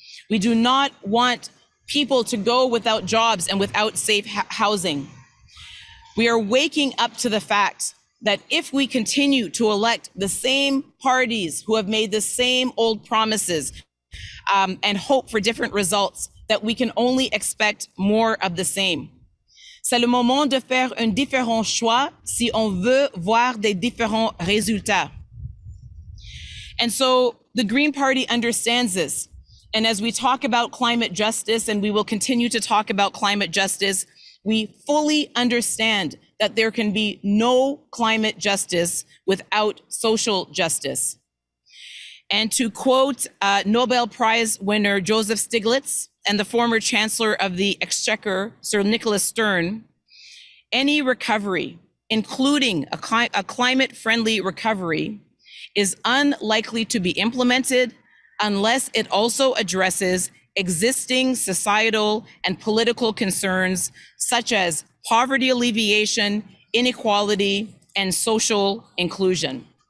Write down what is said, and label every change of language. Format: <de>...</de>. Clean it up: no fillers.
<en>We do not want people to go without jobs and without safe housing. We are waking up to the fact that if we continue to elect the same parties who have made the same old promises and hope for different results, that we can only expect more of the same.</en> <fr>C'est le moment de faire un différent choix si on veut voir des différents résultats.</fr> <en>And so the Green Party understands this. And as we talk about climate justice, and we will continue to talk about climate justice, we fully understand that there can be no climate justice without social justice. And to quote Nobel Prize winner Joseph Stiglitz and the former Chancellor of the Exchequer, Sir Nicholas Stern, any recovery, including a climate-friendly recovery, is unlikely to be implemented unless it also addresses existing societal and political concerns such as poverty alleviation, inequality, and social inclusion.</en>